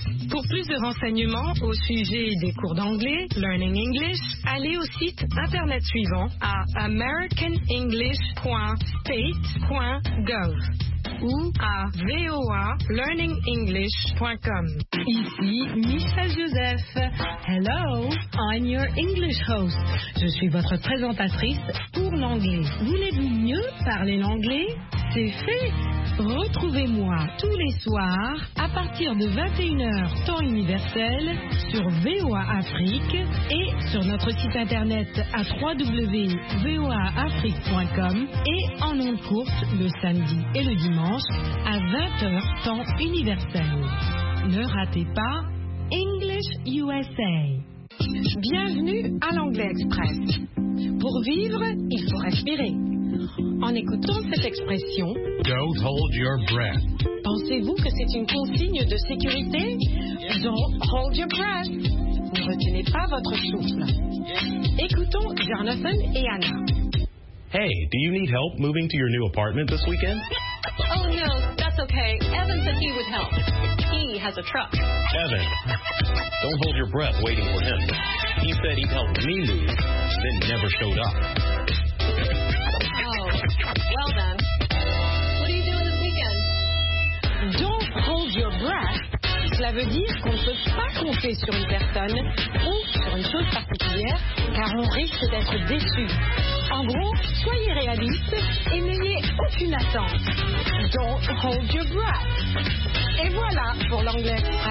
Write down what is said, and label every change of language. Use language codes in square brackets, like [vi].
[fr] Pour plus de renseignements au sujet des cours d'anglais, Learning English, allez au site internet suivant à americanenglish.state.gov ou à voalearningenglish.com. Ici Michel Joseph. [en] Hello, I'm your English host. [fr] Je suis votre présentatrice pour l'anglais. Voulez-vous mieux parler l'anglais? C'est fait! Retrouvez-moi tous les soirs à partir de 21h temps universel sur VOA Afrique et sur notre site internet à www.voaafrique.com et en ondes courtes le samedi et le dimanche à 20h temps universel. Ne ratez pas English USA. Bienvenue à l'Anglais Express. Pour vivre, il faut respirer. En écoutant cette expression, [en] Don't hold your breath. [fr] Pensez-vous que c'est une consigne de sécurité? [en] Don't hold your breath. [fr] Ne retenez pas votre souffle. Écoutons Jonathan et Anna. [en] Hey, do you need help moving to your new apartment this weekend? Oh no, that's okay. Evan said he would help. He has a truck. Evan, don't hold your breath waiting for him. He said he'd help me move, then never showed up. Well then, what are you doing this weekend? Don't hold your breath. [fr] Cela veut dire qu'on ne peut pas compter sur une personne ou sur une chose particulière, car on risque d'être déçu. En gros, soyez réaliste et n'ayez aucune attente. [en] Don't hold your breath. [fr] Et voilà pour l'anglais.